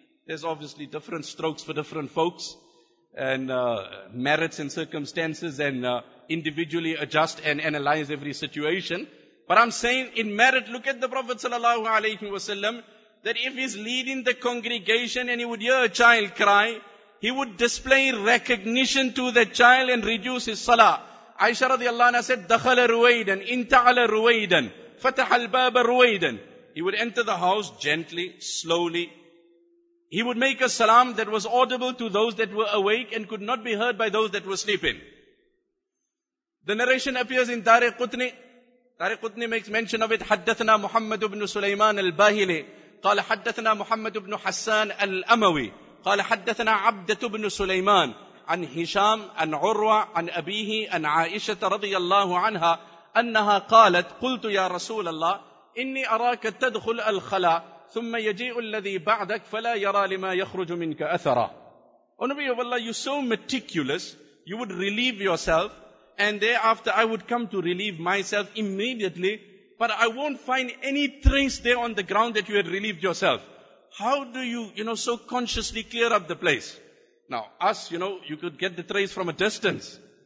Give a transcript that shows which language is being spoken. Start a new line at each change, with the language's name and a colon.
English: There's obviously different strokes for different folks and merits and circumstances and individually adjust and analyze every situation. But I'm saying in merit, look at the Prophet sallallahu alaihi wasallam, that if he's leading the congregation and he would hear a child cry, he would display recognition to the child and reduce his salah. Aisha radiallahu anha said,
Arabic: دَخَلَ رُوَيْدًا إِنْتَعَلَ رُوَيْدًا فَتَحَ الْبَابَ رُوَيْدًا.
English: He would enter the house gently, slowly. He would make a salam that was audible to those that were awake and could not be heard by those that were sleeping. The narration appears in Dari Qutni. Dari Qutni makes mention of it.
Arabic: حَدَّثْنَا مُحَمَّدُ بْنُ سُلَيْمَانَ الْبَاهِلِ قَالَ حَدَّثْنَا مُحَمَّدُ بْنُ حَسَّانَ الْأَمَوِي قَالَ حَدَّثْنَا عَبْدَةُ بْنُ سُلَيْمَانَ عن هشام عن عروة عن أبيه عن عائشة رضي الله عنها أنها قالت قلت يا رسول الله إني أراك تدخل الخلاء ثم يجيء الذي بعدك فلا يرى لما يخرج منك أثرا.
English: Oh Nabi of Allah, you're so meticulous, you would relieve yourself and thereafter I would come to relieve myself immediately, but I won't find any trace there on the ground that you had relieved yourself. How do you so consciously clear up the place? Now, us, you know, you could get the trace from a distance.